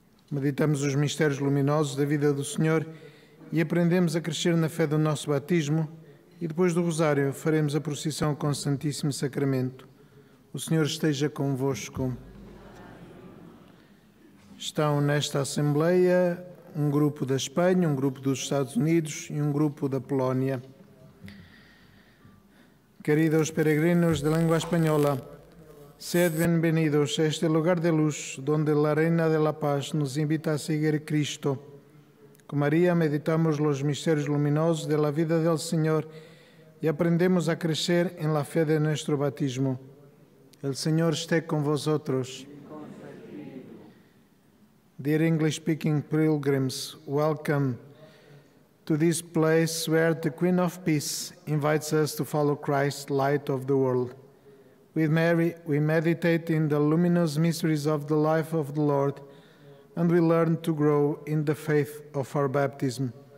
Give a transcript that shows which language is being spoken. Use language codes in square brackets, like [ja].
[pt] Meditamos os mistérios luminosos da vida do Senhor e aprendemos a crescer na fé do nosso batismo e depois do Rosário faremos a procissão com o Santíssimo Sacramento. O Senhor esteja convosco. Estão nesta Assembleia um grupo da Espanha, um grupo dos Estados Unidos e um grupo da Polónia. [es] Queridos peregrinos de lengua española, sed bienvenidos a este lugar de luz donde la Reina de la Paz nos invita a seguir Cristo. Con María meditamos los misterios luminosos de la vida del Señor y aprendemos a crecer en la fe de nuestro bautismo. El Señor esté con vosotros. [en] Dear English-speaking pilgrims, welcome to this place where the Queen of Peace invites us to follow Christ, light of the world. With Mary, we meditate in the luminous mysteries of the life of the Lord, and we learn to grow in the faith of our baptism.